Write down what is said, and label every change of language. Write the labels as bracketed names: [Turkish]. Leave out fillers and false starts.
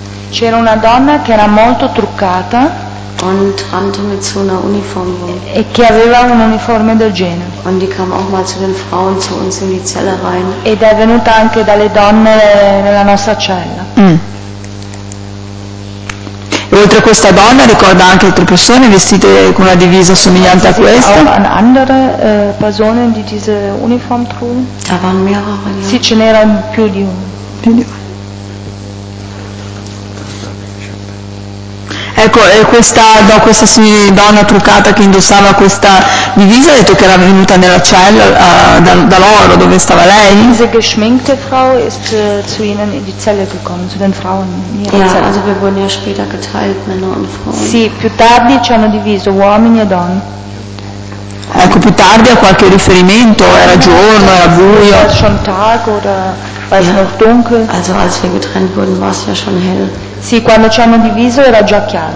[Italian] C'era una donna che era molto truccata [German] und rannte mit so einer Uniform rum. [Italian] E che aveva un uniforme del genere. [German] Und die kam auch mal zu den Frauen zu uns in die Zelle rein. [Italian] Ed è venuta anche dalle donne nella nostra cella. Mm. E oltre a questa donna ricorda anche altre persone vestite con una divisa somigliante a questa? [German] Auch an andere persone di diese Uniform trugen. Da waren mehrere. [Italian] Sì, ce n'erano più di uno. Ecco, e questa donna truccata che indossava questa divisa ha detto che era venuta nella cella da loro, dove stava lei? [German] Diese geschminkte Frau ist zu ihnen in die Zelle gekommen, zu den Frauen in ihrer Zelle. Ja, also wir wurden ja später geteilt, Männer und Frauen. [Italian] Sì, più tardi ci hanno diviso uomini e donne. Ecco, più tardi ha qualche riferimento, era giorno, era buio. [German] War schon Tag oder war es noch dunkel? Also als wir getrennt wurden, war es ja schon hell. [Italian] Sì, quando ci hanno diviso era già chiaro.